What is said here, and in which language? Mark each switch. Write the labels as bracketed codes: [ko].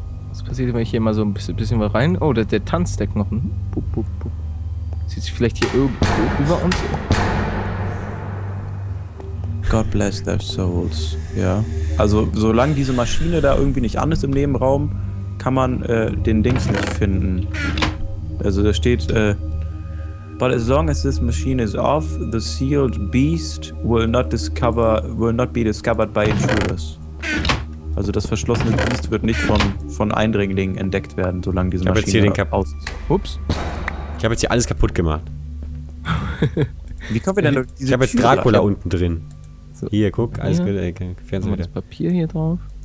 [de] Was passiert, wenn ich hier mal so ein bisschen mal rein. Oh, der tanzt der Knochen. Sieht sich vielleicht hier irgendwo über uns? [en] God bless their souls. Ja. [de] Also, solange diese Maschine da irgendwie nicht an ist im Nebenraum, kann man den Dings nicht finden. Also da steht [en] but as long as this machine is off, the sealed beast will not be discovered by intruders. [de] Also das verschlossene Biest wird nicht von Eindringlingen entdeckt werden, solange diese Maschine jetzt hier aus. Ups. Ich habe jetzt hier alles kaputt gemacht. Wie kommen wir denn durch diese Ich habe jetzt Dracula oder? Unten drin. So. Hier, guck, alles gut, Fernseher wieder. Das Papier hier drauf.